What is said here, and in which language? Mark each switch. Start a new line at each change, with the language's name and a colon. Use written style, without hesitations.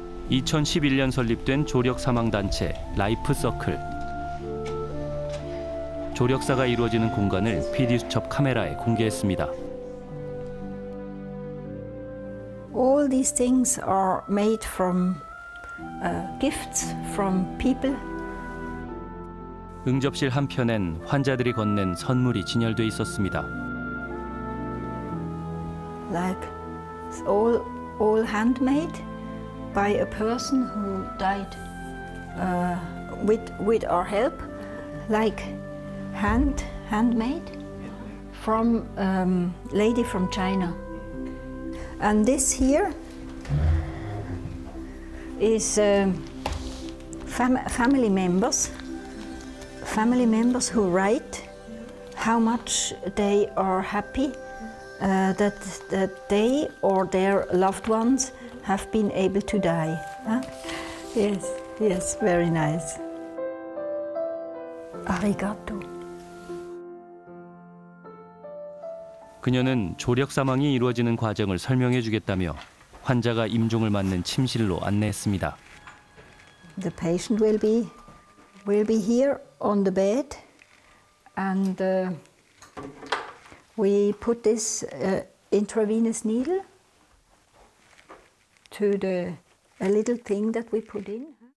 Korean: 2011년 설립된 조력사망단체 라이프서클. 조력사가 이루어지는 공간을 PD수첩 카메라에 공개했습니다.
English: All these things are made from gifts from people.
Korean: 응접실 한편엔 환자들이 건넨 선물이 진열돼 있었습니다.
English: Like all handmade by a person who died with our help, like handmade from lady from China. And this here is family members who write how much they are happy that they or their loved ones have been able to die. Huh? Yes, very nice.
Japanese: Arigato.
Korean: 그녀는 조력 사망이 이루어지는 과정을 설명해 주겠다며 환자가 임종을 맞는 침실로 안내했습니다.
English: The patient will be here on the bed, and we put this intravenous needle to the a little thing that we put in.